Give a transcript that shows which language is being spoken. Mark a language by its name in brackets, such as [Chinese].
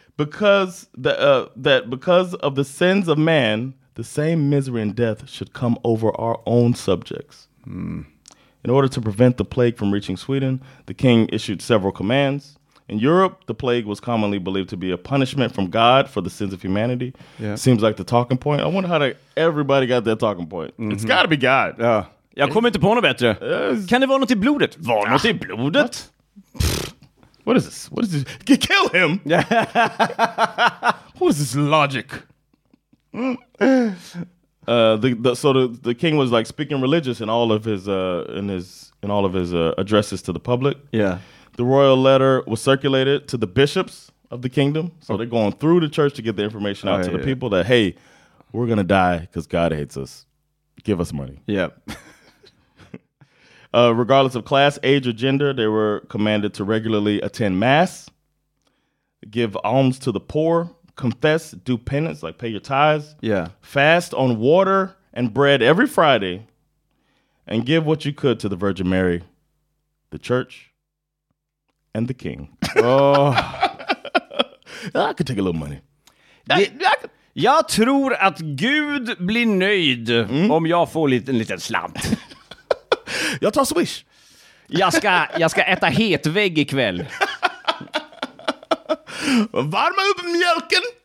[English] Because because of the sins of man, the same misery and death should come over our own subjects. Mm. In order to prevent the plague from reaching Sweden, the king issued several commands. In Europe, the plague was commonly believed to be a punishment from God for the sins of humanity. Yeah. Seems like the talking point. I wonder how everybody got their talking point. Mm-hmm. It's got to be God. Yeah. [Swedish] Jag kommer inte på något bättre. Kan det vara något i blodet? Var något i blodet? [English] What is this? What is this? Kill him! What is this logic? So the king was like speaking religious in all of his addresses to the public. Yeah. The royal letter was circulated to the bishops of the kingdom. So they're going through the church to get the information out to the people that, hey, we're going to die because God hates us. Give us money. Yeah. Regardless of class, age, or gender, they were commanded to regularly attend mass, give alms to the poor, confess, do penance, like pay your tithes. Yeah. Fast on water and bread every Friday, and give what you could to the Virgin Mary, the church, and the king. Oh. I could take a little money. [Swedish] Jag tror att Gud blir nöjd om jag får en liten slant. Jag tar swish. Jag ska äta hetvägg ikväll. Varma upp mjölken.